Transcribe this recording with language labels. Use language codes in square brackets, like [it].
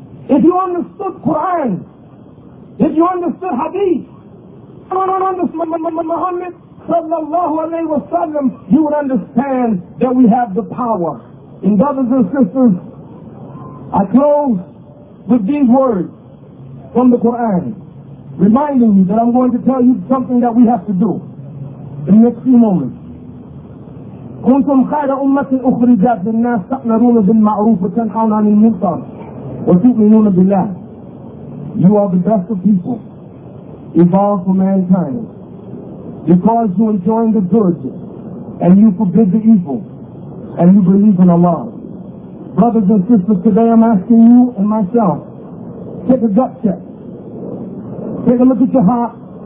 [en] If you understood Quran, if you understood Hadith, if you don't understand Muhammad sallallahu alayhi wa sallam, you would understand that we have the power. And brothers and sisters, I close with these words from the Quran, reminding you that I'm going to tell you something that we have to do in the next few moments. [ar] كنتم خير أمة أخرجت للناس تأمرون بالمعروف وتنهون عن المنكر وتؤمنون بالله. [en] You are the best of people evolved for mankind because you enjoy the good and you forbid the evil and you believe in Allah. Brothers and sisters, today I'm asking you and myself, take a gut check. Take a look at your heart.